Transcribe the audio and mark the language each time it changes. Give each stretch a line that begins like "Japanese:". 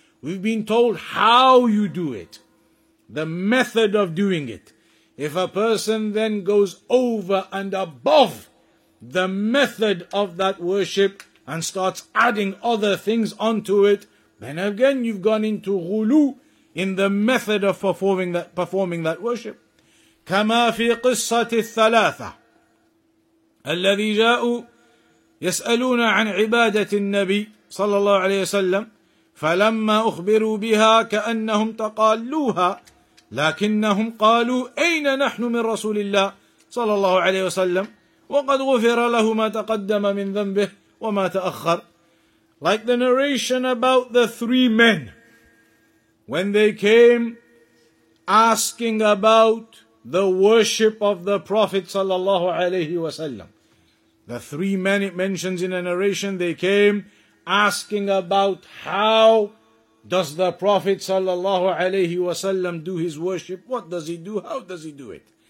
English: We've been told how you do it, the method of doing it. If a person then goes over and above the method of that worship and starts adding other things onto it, then again you've gone into ghulu in the method of performing that worship.
Arabic: كما في قصة الثلاثة الذي جاءوا يسألون عن عبادة النبي صلى الله عليه وسلم فلما أخبروا بها كأنهم تقالوها لكنهم قالوا أين نحن من رسول الله صلى الله عليه وسلم وقد غفر له ما تقدم من ذنبه وما تأخر.
English: Like the narration about the three men, when they came asking about the worship of the Prophet sallallahu alayhi wasallam. The three men it mentions in a narration, they came asking about how does the Prophet sallallahu alayhi wasallam do his worship? What does he do? How does he do it?